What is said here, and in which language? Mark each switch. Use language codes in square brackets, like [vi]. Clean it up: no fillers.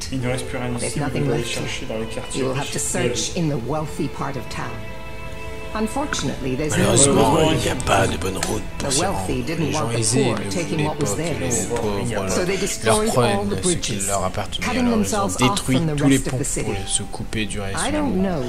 [fr] Il ne reste plus rien ici. Vous devez chercher dans les quartiers riches. [en] You will have to search in the wealthy part of town. [fr] Malheureusement, il n'y a pas de bonne route pour ces gens. Les gens aisés ne voulaient pas que les pauvres leur prennent ce qui leur appartenait. Alors, ils ont détruit tous les ponts pour se couper du reste du monde.